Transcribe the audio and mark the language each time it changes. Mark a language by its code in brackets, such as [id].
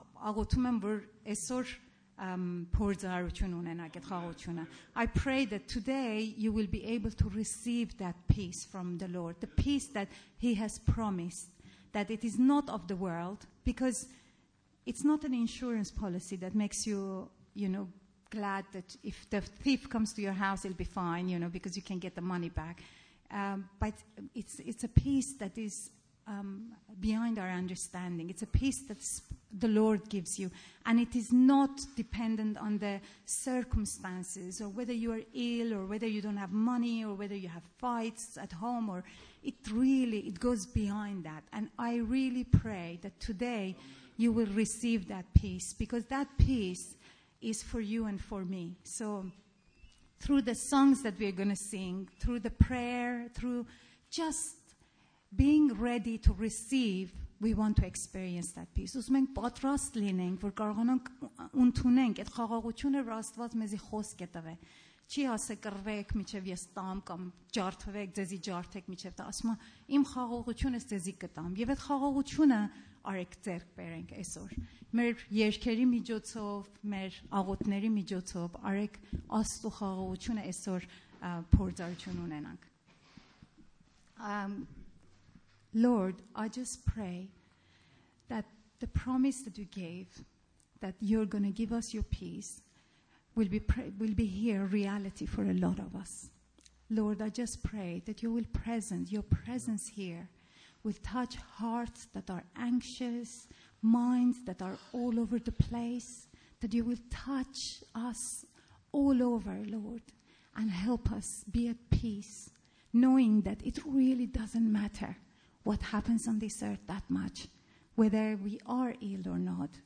[hy] աղոթում եմ, որ այսօր փորձարություն ունենաք այդ խաղաղությունը։ [en] I pray that today you will be able to receive that peace from the Lord, the peace that he has promised, that it is not of the world, because it's not an insurance policy that makes you, you know, glad that if the thief comes to your house, it'll be fine, you know, because you can get the money back. But it's a peace that is behind our understanding. It's a peace that the Lord gives you. And it is not dependent on the circumstances or whether you are ill or whether you don't have money or whether you have fights at home. Or it goes behind that. And I really pray that today you will receive that peace, because that peace is for you and for me. So through the songs that we're going to sing, through the prayer, through just being ready to receive, we want to experience that peace. [hy] Ուզում ենք պատրաստ լինենք, որ կարողանանք ունենանք այդ խաղաղությունը, որ Աստված մեզի խոսք է տվել։ Չի ասել կռվեք միջև ես տամ կամ ջարդվեք, ձեզի ջարդեք միջև տամ, ասում է իմ խաղաղությունս ձեզի կտամ։ Եվ այդ խաղաղությունը արեք ձեռք բերենք այսօր մեր երկերի միջոցով, մեր աղոթների միջոցով, արեք Աստու խաղաղությունը այսօր փորձարություն ունենանք։ [en] Lord, I just pray that the promise that you gave, that you're going to give us your peace, will be here reality for a lot of us. Lord, I just pray that you will present your presence here, will touch hearts that are anxious, minds that are all over the place, that you will touch us all over, Lord, and help us be at peace, knowing that it really doesn't matter what happens on this earth that much, whether we are ill or not.